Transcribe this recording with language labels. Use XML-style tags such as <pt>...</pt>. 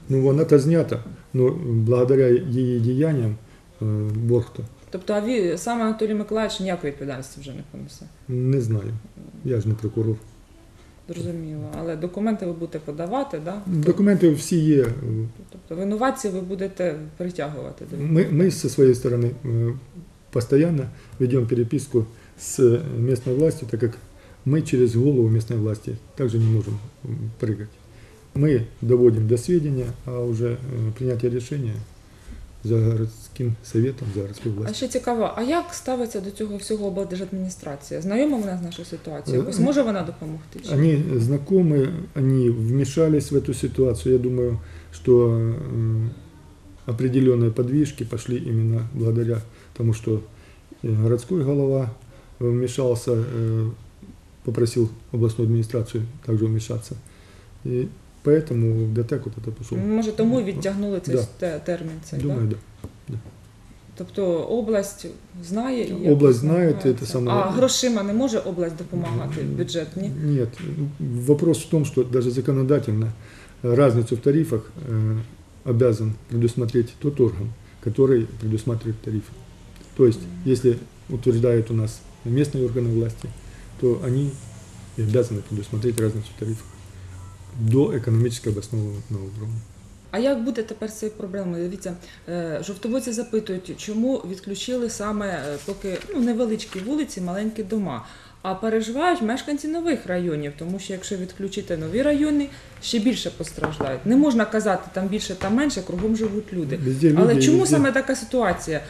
<uk>Ну, вона-то знята, но благодаря її діянням борг-то. Тобто, а сам Анатолій Миколаївич ніякої відповідальності вже не понесе? Не знаю, я ж не прокурор. Зрозуміло, але документи ви будете подавати, да? Документи всі є. Тобто, винуватці ви будете притягувати? Ми зі своєї сторони</uk> <ru>постоянно ведемо переписку с местной властью, так как мы через голову местной власти также не можем прыгать. Мы доводим до сведения, а уже принятие решения за городским советом, за городской властью.</ru> <uk>А ще цікаво, а як ставиться до цього всього облдержадміністрація? Знайома вона з нашою ситуацією? Ось може вона допомогти? Вони знайомі, вони вмішались в цю ситуацію. Я думаю, що определенні подвижки пішли іменно благодаря тому, що городський голова</uk> <ru>вмешался, попросил областную администрацию также вмешаться. И поэтому в ДТЭК вот это пошло.</ru> <uk>Может, тому и відтягнули цей термин? Цей, думаю, да. Тобто область знає? Область знає,</uk> <ru>это самое.</ru> <uk>А грошима не може область допомагати, бюджет, ні?</uk> <ru>Нет. Вопрос в том, что даже законодательно разницу в тарифах обязан предусмотреть тот орган, который предусматривает тарифы. То есть, если утверждает у нас местные органы власти, то они обязаны предусмотреть разницу тарифов до экономической обоснованного уровня.</ru> <uk>А як буде тепер цей проблемою? Дивіться, жовтоводці запитують, чому відключили саме поки, ну, невеличкі вулиці, маленькі дома. А переживають мешканці нових районів, тому що якщо відключити нові райони, ще більше постраждають. Не можна казати, там більше, там менше, кругом живуть люди. Але чому саме така ситуація?</uk>